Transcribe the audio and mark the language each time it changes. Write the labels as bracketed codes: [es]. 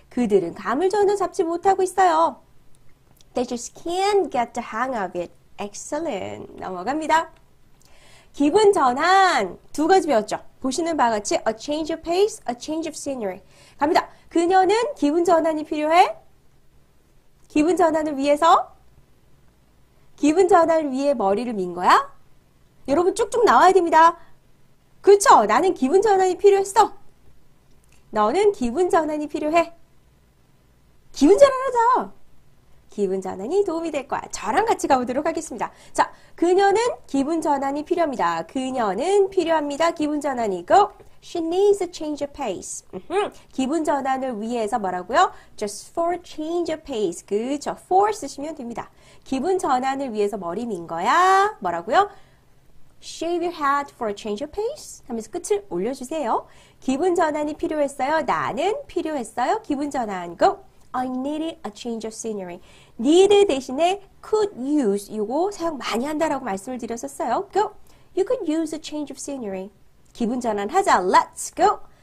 [ko] 그들은 감을 전혀 잡지 못하고 있어요. [en] They just can't get the hang of it. Excellent. [ko] 넘어갑니다. 기분 전환 두 가지 배웠죠. 보시는 바와 같이 a change of pace, a change of scenery. 갑니다. 그녀는 기분 전환이 필요해. 기분 전환을 위해서 기분 전환을 위해 머리를 민 거야. 여러분 쭉쭉 나와야 됩니다. 그쵸? 나는 기분 전환이 필요했어. 너는 기분 전환이 필요해. 기분 전환하자. 기분 전환이 도움이 될 거야. 저랑 같이 가보도록 하겠습니다. 자, 그녀는 기분 전환이 필요합니다. 그녀는 필요합니다. 기분 전환이고. [en] She needs a change of pace. [ko] 기분 전환을 위해서 뭐라고요? [en] Just for change of pace. [ko] 그쵸. [en] For [ko] 쓰시면 됩니다. 기분 전환을 위해서 머리 민 거야. 뭐라고요? [en] Shave your head for a change of pace. [ko] 하면서 끝을 올려주세요. 기분 전환이 필요했어요. 나는 필요했어요. 기분 전환, go. [en] I needed a change of scenery. [ko] Need 대신에 could use 이거 사용 많이 한다라고 말씀을 드렸었어요. Go. [en] You could use a change of scenery. [ko] 기분 전환 하자. [en] Let's go.